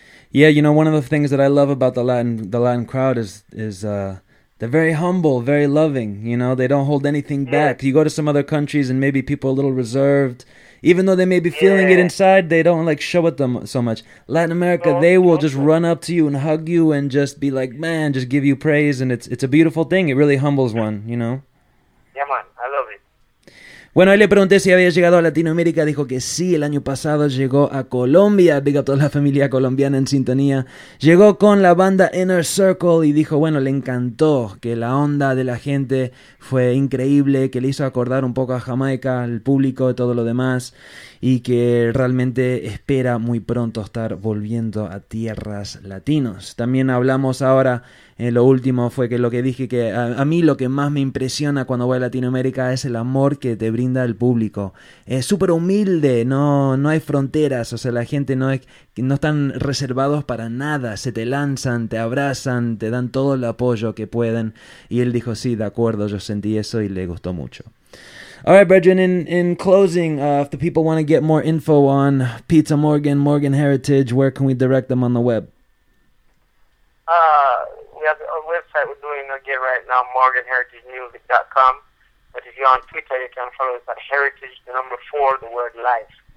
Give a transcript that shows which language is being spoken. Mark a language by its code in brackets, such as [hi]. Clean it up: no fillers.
[en] Yeah, you know, one of the things that I love about the Latin crowd is they're very humble, very loving, you know, they don't hold anything back. You go to some other countries and maybe people are a little reserved, even though they may be feeling it inside, they don't like show it them so much. Latin America, they will just run up to you and hug you and just be like, man, just give you praise, and it's a beautiful thing. It really humbles one, you know. Yeah, man, I love it. [es] Bueno, ahí le pregunté si había llegado a Latinoamérica, dijo que sí, el año pasado llegó a Colombia, big up toda la familia colombiana en sintonía, llegó con la banda Inner Circle y dijo, bueno, le encantó, que la onda de la gente fue increíble, que le hizo acordar un poco a Jamaica, al público y todo lo demás, y que realmente espera muy pronto estar volviendo a tierras latinos. También hablamos ahora, lo último fue que lo que dije, que a mí lo que más me impresiona cuando voy a Latinoamérica es el amor que te brinda el público. Es súper humilde, no hay fronteras, o sea, la gente no están reservados para nada, se te lanzan, te abrazan, te dan todo el apoyo que pueden. Y él dijo, sí, de acuerdo, yo sentí eso y le gustó mucho. [en] All right, Brethren, in closing, if the people want to get more info on Pizza Morgan, Morgan Heritage, where can we direct them on the web? We have a website we're doing again right now, morganheritagemusic.com. But if you're on Twitter, you can follow us at Heritage, the number 4, the word life.